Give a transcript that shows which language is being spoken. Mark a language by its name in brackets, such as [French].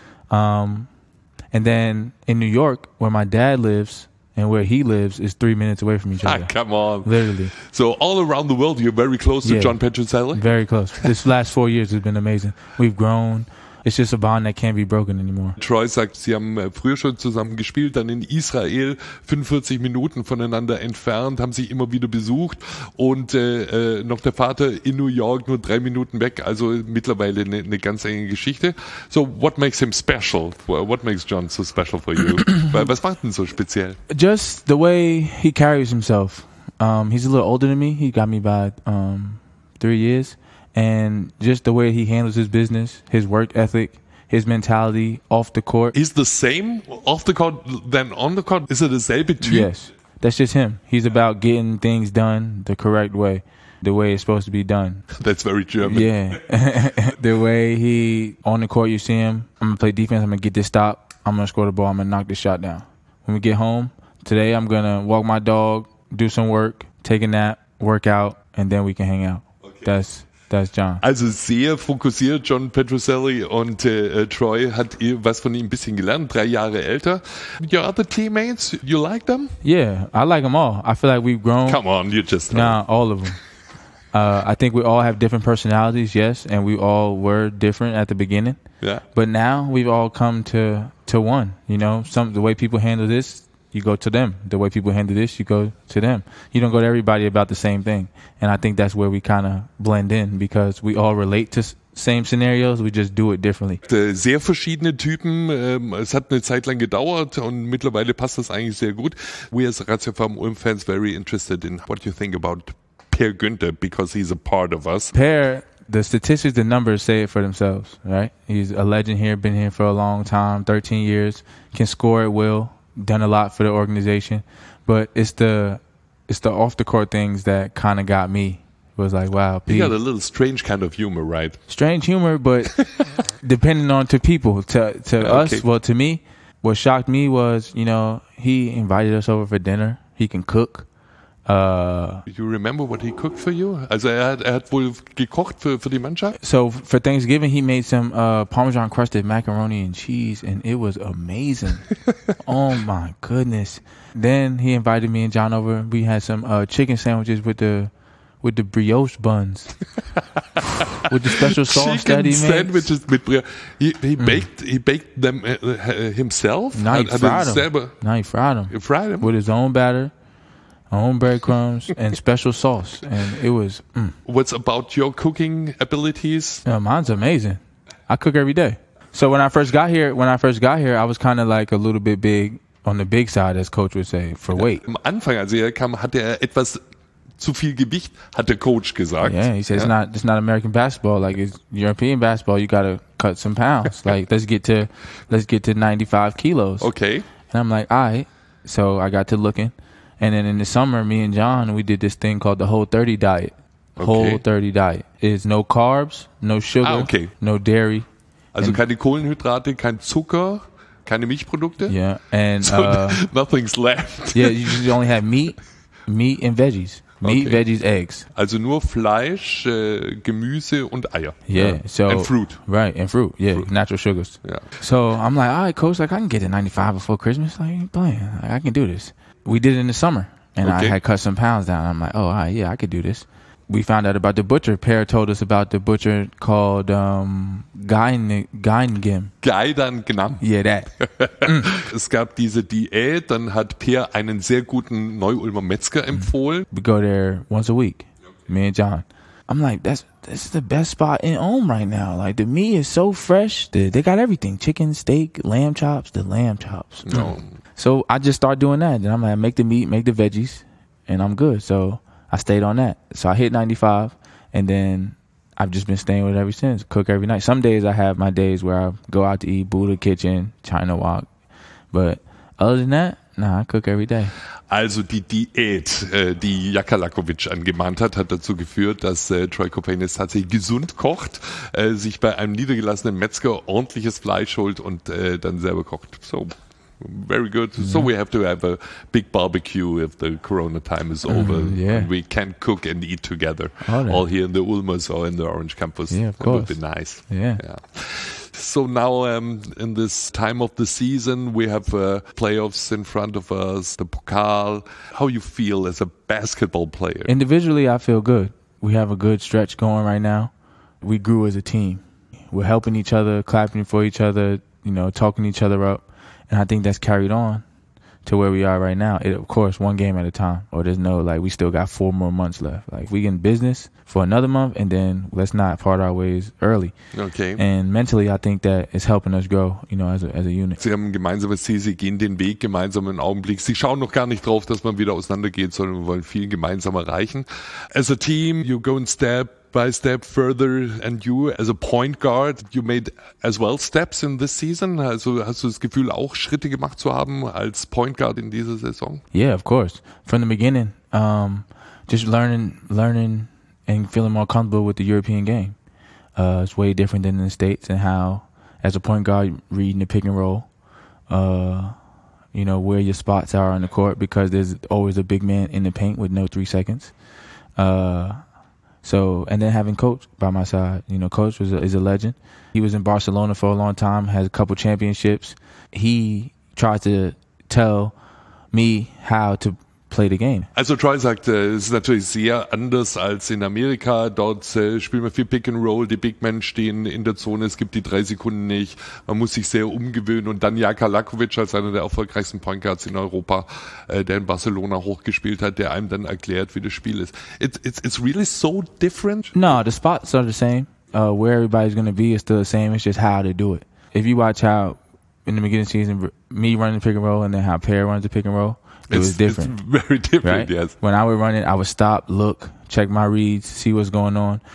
[English] And then in New York, where my dad lives and where he lives, is 3 minutes away from each other. Come on. Literally. So all around the world, you're very close to John Petrucelli? Very close. This last 4 years has been amazing. We've grown. It's just a bond that can't be broken anymore. [German] Troy sagt, sie haben früher schon zusammen gespielt, dann in Israel, 45 Minuten voneinander entfernt, haben sich immer wieder besucht und noch der Vater in New York, nur 3 Minuten weg, also mittlerweile eine ganz enge Geschichte. [English] So what makes him special? What makes John so special for you? [German] Was macht ihn so speziell? [English] Just the way he carries himself. He's a little older than me, he got me by 3 years. And just the way he handles his business, his work ethic, his mentality off the court. Is the same off the court than on the court? Is it the same between? Yes. That's just him. He's about getting things done the correct way, the way it's supposed to be done. That's very German. Yeah. The way he, on the court, you see him, I'm going to play defense, I'm going to get this stop, I'm going to score the ball, I'm going to knock this shot down. When we get home, today I'm going to walk my dog, do some work, take a nap, work out, and then we can hang out. Okay. That's John. [German] Also sehr fokussiert, John Petrucelli, und Troy hat was von ihm ein bisschen gelernt, 3 Jahre älter. [English] Your other teammates, you like them? Yeah, I like them all. I feel like we've grown. Come on, you just know. Nah, all of them. I think we all have different personalities, yes, and we all were different at the beginning. Yeah. But now we've all come to one, you know. The way people handle this, you go to them. The way people handle this, you go to them. You don't go to everybody about the same thing. And I think that's where we kind of blend in, because we all relate to same scenarios, we just do it differently. [German] Sehr verschiedene Typen. Es hat eine Zeit lang gedauert und mittlerweile passt das eigentlich sehr gut. [English] We as Ratio Farm Ulm fans very interested in what you think about Per Günther, because he's a part of us. Per, the statistics, the numbers say it for themselves, right? He's a legend here, been here for a long time, 13 years, can score at will. Done a lot for the organization, but it's the off the court things that kind of got me. It was like, wow, Pete. You got a little strange kind of humor, right? Strange humor, but depending on to people, to okay. Us, well, to me, what shocked me was, you know, he invited us over for dinner. He can cook. You remember what he cooked for you? [German] Also er hat wohl gekocht für die Mannschaft. [English] So for Thanksgiving he made some Parmesan crusted macaroni and cheese and it was amazing. Oh my goodness. Then he invited me and John over. We had some chicken sandwiches with the brioche buns. With the special sauce chicken that he made. Chicken sandwiches mit Brioche. He baked them himself? No, he fried them. He fried them? With his own batter. Own breadcrumbs and special sauce, and it was. What's about your cooking abilities? Yeah, mine's amazing. I cook every day. So when I first got here, I was kind of like a little bit big on the big side, as Coach would say, for weight. [German] Am Anfang, als er kam, hatte er etwas zu viel Gewicht, hat der Coach gesagt. [English] Yeah, he said it's not American basketball, like it's European basketball. You gotta cut some pounds. Like let's get to 95 kilos. Okay. And I'm like, all right. So I got to looking. And then in the summer, me and John, we did this thing called the Whole30 diet. Okay. Whole30 diet is no carbs, no sugar, no dairy. [German] Also keine Kohlenhydrate, kein Zucker, keine Milchprodukte. [English] Yeah, and so nothing's left. Yeah, you just only have meat and veggies. Meat, okay. Veggies, eggs. [German] Also nur Fleisch, Gemüse und Eier. [English] Yeah. So, and fruit. Right, and fruit. Yeah, fruit. Natural sugars. Yeah. So I'm like, all right, Coach, like I can get to 95 before Christmas. Like, playing. Like, I can do this. We did it in the summer, and okay. I had cut some pounds down. I'm like, oh, all right, yeah, I could do this. We found out about the butcher. Per told us about the butcher called Geidengim. Geidengim. Yeah, that. [German] Es gab diese Diät, dann hat Per einen sehr guten Neu-Ulmer Metzger empfohlen. [English] We go there once a week, me and John. I'm like, this is the best spot in Ulm right now. Like, the meat is so fresh. They got everything. Chicken, steak, lamb chops, the lamb chops. No. So I just start doing that. And I'm like, make the meat, make the veggies, and I'm good. So I stayed on that. So I hit 95, and then I've just been staying with it ever since. Cook every night. Some days I have my days where I go out to eat, Buddha Kitchen, China Walk. But other than that, nah, I cook every day. [German] Also die Diät, die Jakalakovic angemahnt hat, hat dazu geführt, dass Troy Copain es tatsächlich gesund kocht, sich bei einem niedergelassenen Metzger ordentliches Fleisch holt und dann selber kocht. [English] So. Very good. Yeah. So we have to have a big barbecue if the corona time is over. Yeah. And we can cook and eat together. All here in the Ulmers or in the Orange Campus. Yeah, of course. Would be nice. Yeah. Yeah. So now in this time of the season, we have playoffs in front of us, the Pokal. How you feel as a basketball player? Individually, I feel good. We have a good stretch going right now. We grew as a team. We're helping each other, clapping for each other, you know, talking each other up. And I think that's carried on to where we are right now. It, of course, one game at a time. Or there's no, like, we still got 4 more months left. Like, we get in business for another month, and then let's not part our ways early. Okay. And mentally, I think that is helping us grow, you know, as a unit. [German] Sie haben ein gemeinsames Ziel, sie gehen den Weg gemeinsam im Augenblick. Sie schauen noch gar nicht drauf, dass man wieder auseinander geht, sondern wir wollen viel gemeinsam erreichen. [English] As a team, you go and step by step further, and you as a point guard, you made as well steps in this season. [German] Also, hast du das Gefühl, auch Schritte gemacht zu haben als Point Guard in dieser Saison? [English] Yeah, of course. From the beginning, just learning, and feeling more comfortable with the European game. It's way different than in the States, and how, as a point guard, reading the pick and roll, you know, where your spots are on the court, because there's always a big man in the paint with no 3 seconds. So, and then having Coach by my side, you know, Coach is a legend. He was in Barcelona for a long time, has a couple championships. He tried to tell me how to play the game. [German] Also Troy sagt, es ist natürlich sehr anders als in Amerika. Dort spielen wir viel Pick and Roll, die Big Men stehen in der Zone, es gibt die 3 Sekunden nicht. Man muss sich sehr umgewöhnen. Und dann Jakalakovic als einer der erfolgreichsten Point Guards in Europa, der in Barcelona hochgespielt hat, der einem dann erklärt, wie das Spiel ist. [English] It's really so different? No, the spots are the same. Where everybody's going to be is still the same. It's just how they do it. If you watch how in the beginning of the season, me running the pick and roll and then how Pear runs the pick and roll, it was different. It's very different, right? Yes. When I would run it, I would stop, look, check my reads, see what's going on.